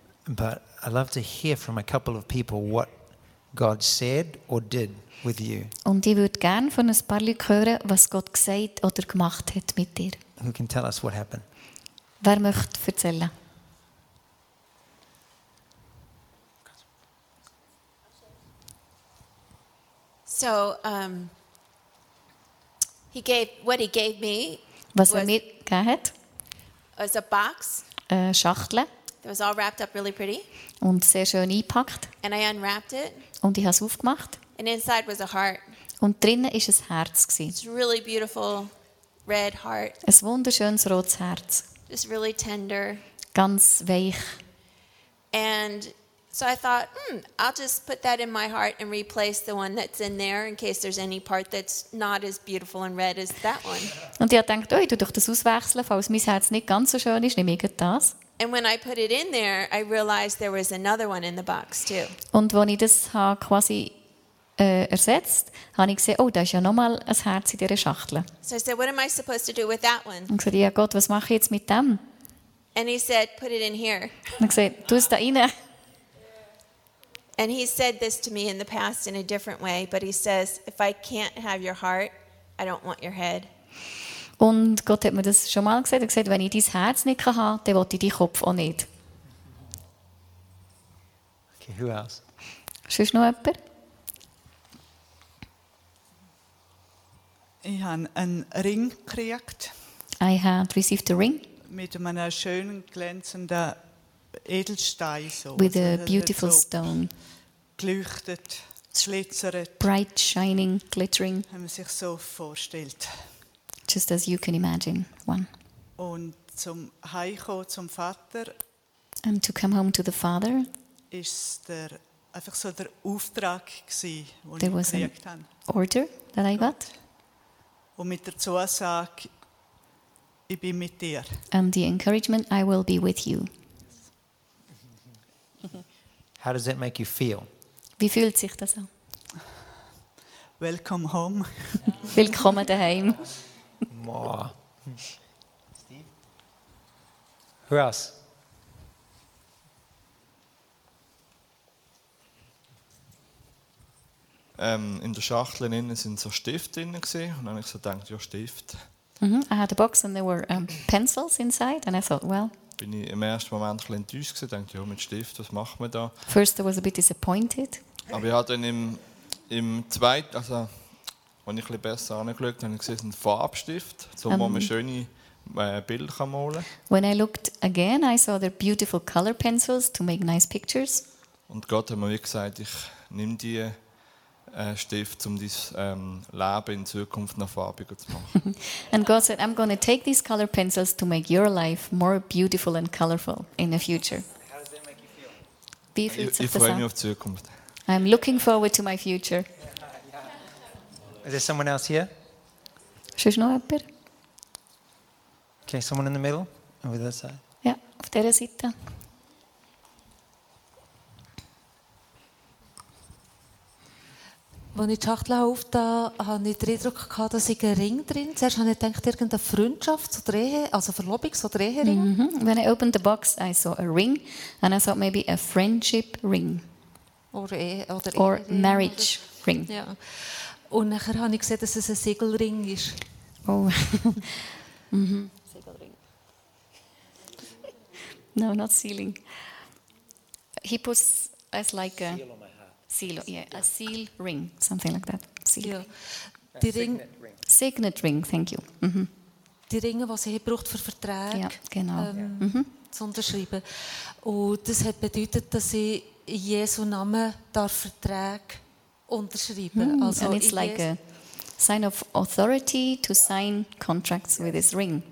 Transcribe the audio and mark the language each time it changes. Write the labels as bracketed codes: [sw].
[en] But I'd love to hear from a couple of people what God said or did with you. [de] Und ich würde gern von ein paar Leuten hören, was Gott gesagt oder gemacht hat mit dir. [en] Who can tell us what happened? [de] Wer möchte erzählen? [en] So, he gave what he gave me. [de] Was er mir gegeben hat? [en] Was a box? [de] Eine Schachtel. [en] It was all wrapped up really pretty. [de] Und sehr schön eingepackt. [en] And I unwrapped it. [de] Und ich habe es aufgemacht. [en] And inside was a heart. [de] Und drinnen ist ein Herz gsi. [en] It's really beautiful red heart. [de] Ein wunderschönes rotes Herz. [en] Just really tender. [de] Ganz weich. [en] And so I thought, I'll just put that in my heart and replace the one that's in there in case there's any part that's not as beautiful and red as that one. [de] Und ich dachte, ich tue doch das auswechseln, falls mein Herz nicht ganz so schön ist, nehme ich das. [en] And when I put it in there, I realized there was another one in the box too. [de] Und wenn ich das quasi ersetzt, habe ich gesehen, oh, da ist ja nochmal ein Herz in dieser Schachtel. [en] So I said, what am I supposed to do with that one? [de] Und gesagt, ja Gott, was mache ich jetzt mit dem? [en] And he said, put it in here. [de] Und gesagt, tu es da rein. [en] And he said this to me in the past in a different way, but he says, if I can't have your heart, I don't want your head. [de] Und Gott hat mir das schon mal gesagt. Er hat gesagt, wenn ich dein Herz nicht haben kann, dann will ich deinen Kopf auch nicht. [en] Okay, who else? [de] Sonst noch jemand? Ich habe einen Ring gekriegt. [en] I had received a ring. [de] Mit einem schönen, glänzenden Edelstein. So. [en] With a beautiful stone. [de] Geleuchtet, glitzert. [en] Bright, shining, glittering. [de] Wenn man sich so vorstellt. [en] Just as you can imagine, one. [de] Und zum Heiko, zum Vater, [en] and to come home to the father, [de] ist der einfach so der Auftrag gsi, wo [en] there [de] ich kriegt [en] han. Order that I got. [de] Und mit der Zusage, ich bin mit dir. [en] And the encouragement, I will be with you. How does that make you feel? [de] Wie fühlt sich das an? [en] Welcome home. [de] Willkommen daheim. [en] More. Steve? Who else? [de] In der Schachtel innen sind so Stifte drin gesehen und dann ich so denkt ja Stift. Mm-hmm. [en] I had a box and there were pencils inside and I thought well. [de] Bin ich im ersten Moment ein enttäuscht gesehen, denkt ja mit Stift, was machen wir da? [en] First I was a bit disappointed. [de] Aber ich hatte dann im zweiten, also wenn ich ein besser angeschaut, habe ich gesehen, es ist ein Farbstift, so wo man schöne Bilder kann malen. [en] When I looked again, I saw their beautiful color pencils to make nice pictures. [de] Und Gott hat mir wie gesagt, ich nehme die Stift, um dein Leben in Zukunft noch farbiger zu machen. [en] And God said, I'm going to take these color pencils to make your life more beautiful and colorful in the future. How does that make you feel? [de] Ich freue mich auf die Zukunft. [en] I'm looking forward to my future. Is there someone else here? [de] Sonst noch jemand? [en] Okay, someone in the middle? Over that side? [de] Ja, auf dieser Seite. Als ich die Schachtel aufgetan habe, hatte ich den Eindruck, dass ich einen Ring drin habe. Zuerst habe ich gedacht, irgendeine Freundschaft zu drehen, also Verlobungs- oder Ehering. [en] When I opened the box, I saw a ring and I thought maybe a friendship ring. [de] Oder [en] marriage ring. [de] Ja. Und nachher habe ich gesehen, dass es ein Siegelring ist. Oh. Siegelring. [en] No, not sealing. He puts as like a... Seal, yeah, a seal ring, something like that. Seal. [de] Yeah. Die Ring, [en] signet ring, thank you. [de] Die Ringe, was sie braucht für Verträge, ja, genau. Zu unterschreiben. Und das hat bedeutet, dass sie in Jesu Namen darf Verträge unterschreiben. Also [en] and it's like a sign of authority to sign contracts with this ring.